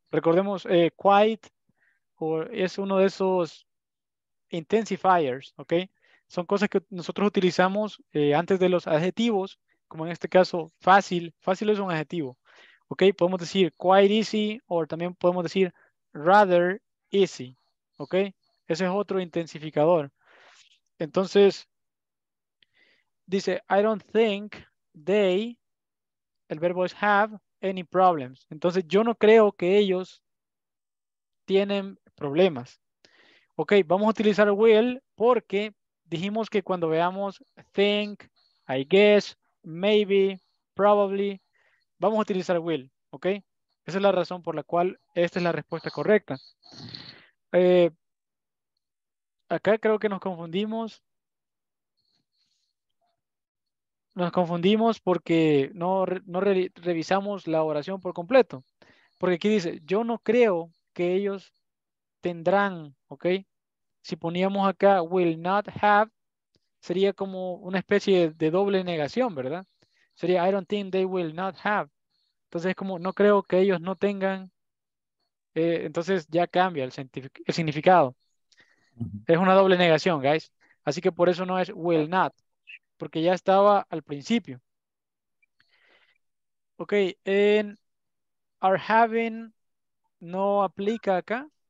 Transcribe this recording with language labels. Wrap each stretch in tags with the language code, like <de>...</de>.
<es>Recordemos, quite es uno de esos intensifiers, ¿ok? Son cosas que nosotros utilizamos antes de los adjetivos, como en este caso, fácil. Fácil es un adjetivo, ¿ok? Podemos decir quite easy o también podemos decir rather easy. ¿Ok? Ese es otro intensificador. Entonces, dice,</es> <en>I don't think they,</en> <es>el verbo es</es> <en>have, any problems.</en> <es>Entonces, yo no creo que ellos tienen problemas. Ok, vamos a utilizar will porque dijimos que cuando veamos think,</es> <en>I guess,</en> <es>maybe, probably, vamos a utilizar will. ¿Ok? Esa es la razón por la cual esta es la respuesta correcta. Acá creo que nos confundimos porque no revisamos la oración por completo. Porque aquí dice, yo no creo que ellos tendrán, ¿ok? Si poníamos acá, will not have, sería como una especie de doble negación, ¿verdad? Sería,</es> <en>I don't think they will not have.</en> <es>Entonces es como, no creo que ellos no tengan, entonces ya cambia el significado. Es una doble negación, guys. Así que por eso no es will not. Porque ya estaba al principio. Ok.</es> <en>And are having</en> <es>no aplica acá.</es>